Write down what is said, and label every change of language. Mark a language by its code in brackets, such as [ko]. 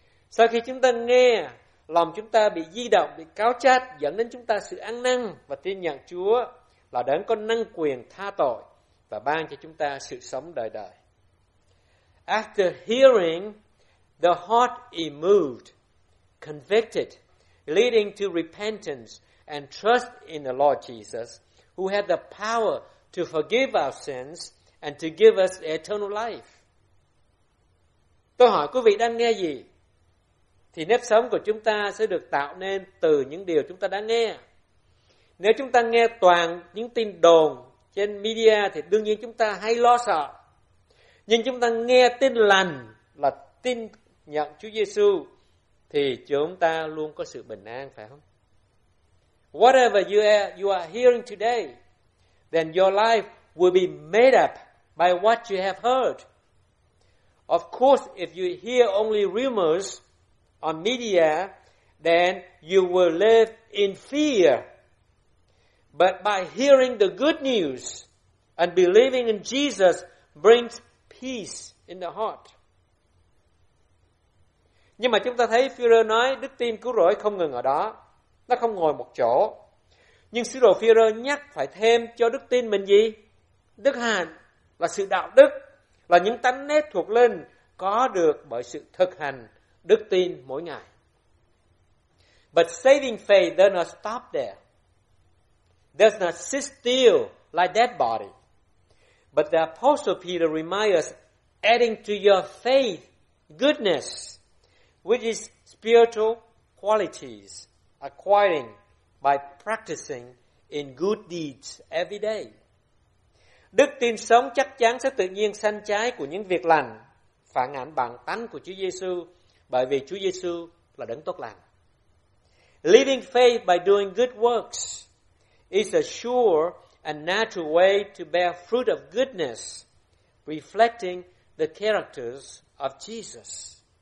[vi] Sau khi chúng ta nghe, lòng chúng ta bị di động, bị cáo chát, dẫn đến chúng ta sự ăn năn và tin nhận Chúa là Đấng có năng quyền tha tội và ban cho chúng ta sự sống đời đời. [en] After hearing, the heart is moved, convicted, leading to repentance and trust in the Lord Jesus, who had the power to forgive our sins and to give us eternal life. [vi] Tôi hỏi quý vị đang nghe gì? Thì nếp sống của chúng ta sẽ được tạo nên từ những điều chúng ta đã nghe. Nếu chúng ta nghe toàn những tin đồn trên media thì đương nhiên chúng ta hay lo sợ. Nhưng chúng ta nghe tin lành là tin nhận Chúa Giêsu thì chúng ta luôn có sự bình an, phải không? [en] Whatever you are hearing today, then your life will be made up by what you have heard. Of course, if you hear only rumors on media, then you will live in fear. But by hearing the good news and believing in Jesus brings peace in the heart. [vi] Nhưng mà chúng ta thấy Phi-rơ nói đức tin cứu rỗi không ngừng ở đó. Nó không ngồi một chỗ. Nhưng sứ đồ Phi-rơ nhắc phải thêm cho đức tin mình gì? Đức hạnh là sự đạo đức, là những tánh nết thuộc linh có được bởi sự thực hành đức tin mỗi ngày. [en] But saving faith does not stop there. Does not sit still like dead body. But the Apostle Peter reminds us, adding to your faith goodness, which is spiritual qualities acquiring by practicing in good deeds every day. [vi] Đức tin sống chắc chắn sẽ tự nhiên sanh trái của những việc lành, phản ảnh bản tánh của Chúa Giêsu, bởi vì Chúa Giêsu là đấng tốt lành. [en] Living faith by doing good works is a sure and natural way to bear fruit of goodness, reflecting the characters of Jesus.